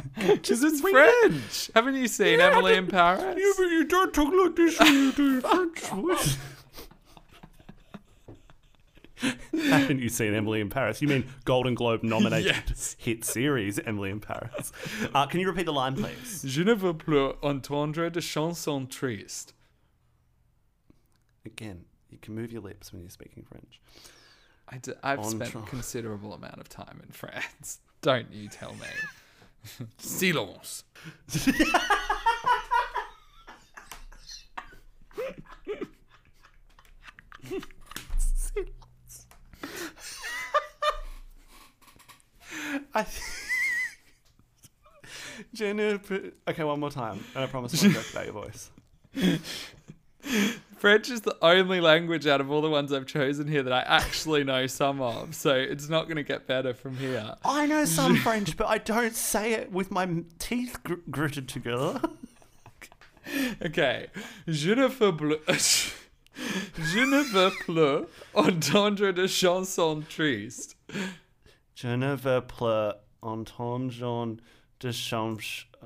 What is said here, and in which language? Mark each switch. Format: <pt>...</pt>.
<en>Because it's French. It. Haven't you seen Emily in Paris? Yeah, but you don't talk like this when you do your French voice. Haven't you seen Emily in Paris? You mean Golden Globe nominated hit series Emily in Paris. Can you repeat the line, please?</en> <fr>Je ne veux plus entendre de chansons tristes.</fr> <en>Again, you can move your lips when you're speaking French. I've spent a considerable amount of time in France. Don't you tell me. Silence. Okay, one more time, and I promise I'll talk about your voice. French is the only language out of all the ones I've chosen here that I actually know some of, so it's not going to get better from here. I know some French, but I don't say it with my teeth gritted together.</en> <fr>Okay. Je ne veux plus... Je ne veux plus entendre de chansons tristes. Je ne veux plus entendre de chansons...</fr>